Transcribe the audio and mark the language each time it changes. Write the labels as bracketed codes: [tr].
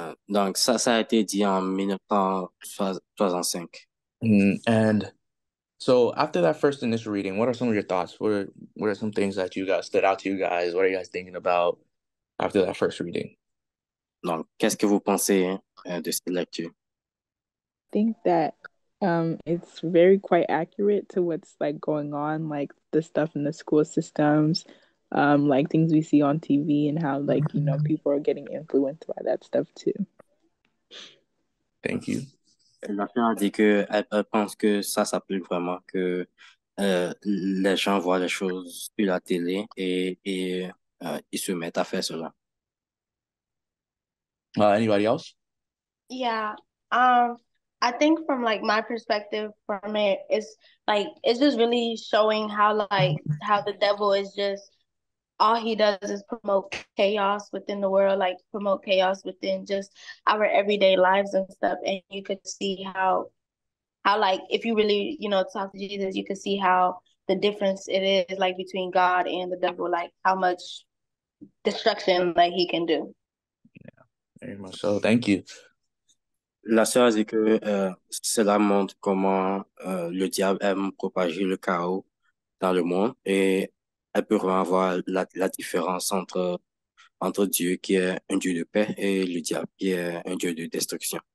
[fr] Donc, ça a été dit en 1965. [en] And so after that first initial reading, what are some of your thoughts? What are some things that you guys stood out to you guys? What are you guys thinking about after that first reading? [fr] Donc, qu'est-ce que vous pensez de cette lecture? [en] I think that it's very quite accurate to what's like going on, like the stuff in the school systems, like things we see on TV and how like, you know, people are getting influenced by that stuff too. Thank you. [fr] La fille a dit que elle pense que ça s'applique vraiment, que les gens voient les choses sur la télé et ils se mettent à faire cela. [en] Anybody else? Yeah. I think from like my perspective from it, it's like it's just really showing how like how the devil is just all he does is promote chaos within the world, like promote chaos within just our everyday lives and stuff. And you could see how like if you really, you know, talk to Jesus, you could see how the difference it is like between God and the devil, like how much destruction like he can do. Very much so. Thank you. [fr] La sœur a dit que cela montre comment le diable aime propager le chaos dans le monde et elle peut vraiment voir la différence entre Dieu qui est un Dieu de paix et le diable qui est un Dieu de destruction.